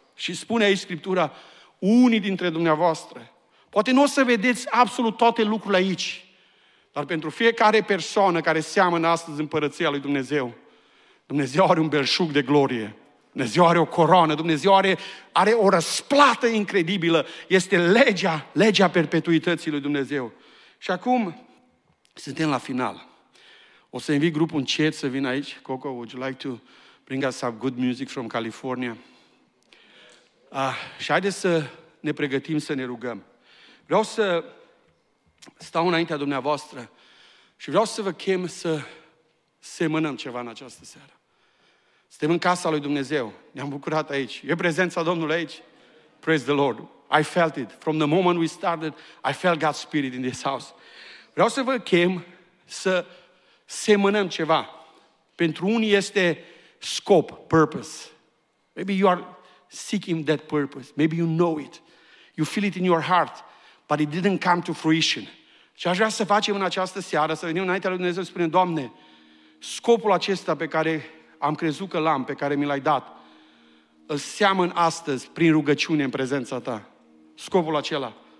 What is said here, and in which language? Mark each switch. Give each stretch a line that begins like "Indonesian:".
Romanian: Și spune aici Scriptura, unii dintre dumneavoastră, poate nu o să vedeți absolut toate lucrurile aici, dar pentru fiecare persoană care seamănă astăzi împărăția lui Dumnezeu, Dumnezeu are un belșug de glorie. Dumnezeu are o coroană, Dumnezeu are o răsplată incredibilă. Este legea perpetuității lui Dumnezeu. Și acum suntem la final. O să invit grupul încet să vină aici.
English: Coco, would you like to bring us some good music from California?
Romanian: Și haideți să ne pregătim să ne rugăm. Vreau să stau înaintea dumneavoastră și vreau să vă chem să semănăm ceva în această seară. Suntem în casa lui Dumnezeu. Ne-am bucurat aici. E prezența Domnului aici?
English: Praise the Lord. I felt it. From the moment we started, I felt God's spirit in this house.
Romanian: Vreau să vă chem să semănăm ceva. Pentru unii este scop, purpose.
English: Maybe you are seeking that purpose. Maybe you know it. You feel it in your heart. But it didn't come to fruition.
Romanian: Și aș vrea să facem în această seară, să venim înaintea lui Dumnezeu și spunem, Doamne, scopul acesta pe care am crezut că l-am, pe care mi l-ai dat, îl seamăn astăzi prin rugăciune în prezența ta. Scopul acela.